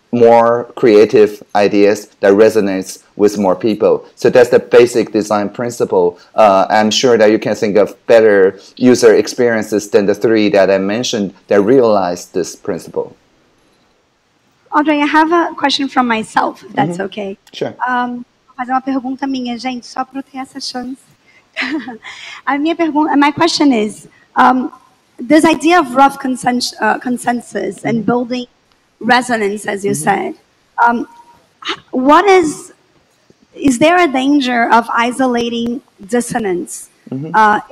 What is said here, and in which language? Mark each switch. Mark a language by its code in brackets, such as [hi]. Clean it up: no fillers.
[en] more creative ideas that resonates with more people. So that's the basic design principle. I'm sure that you can think of better user experiences than the three that I mentioned that realize this principle. Audrey, I have a question from myself, if that's mm-hmm. okay. Sure. [pt] Vou fazer uma pergunta minha, gente, só para eu ter essa chance. A minha pergunta, [en] my question is, this idea of rough consensus and building resonance, as you mm-hmm. said, is there a danger of isolating dissonance? Mm-hmm.